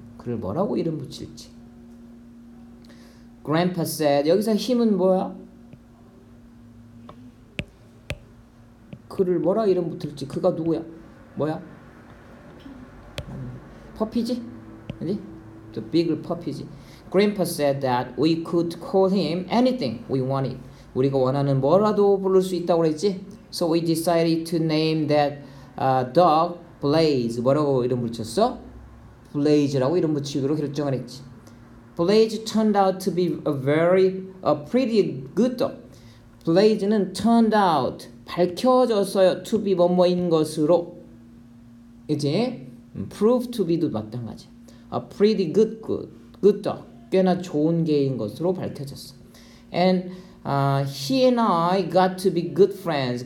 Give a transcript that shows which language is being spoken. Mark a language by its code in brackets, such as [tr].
[ko] 그를 뭐라고 이름 붙일지. [en] Grandpa said, [ko] 여기서 him은 뭐야? 그를 뭐라 이름 붙일지, 그가 누구야? 뭐야? 퍼피지? 그지? [en] the bigger puppy지. Grandpa said that we could call him anything we wanted. [ko] 우리가 원하는 뭐라도 부를 수 있다고 했지? [en] So we decided to name that dog Blaze. [ko] 뭐라고 이름 붙였어? Blaze라고 이름 붙이기로 결정을 했지. [en] Blaze turned out to be a pretty good dog. [ko] Blaze는 turned out, 밝혀졌어요. To be 뭐뭐인 것으로. 이제 proved to be도 마찬가지. [en] A pretty good dog. [ko] 꽤나 좋은 개인 것으로 밝혀졌어. [en] And he and I got to be good friends.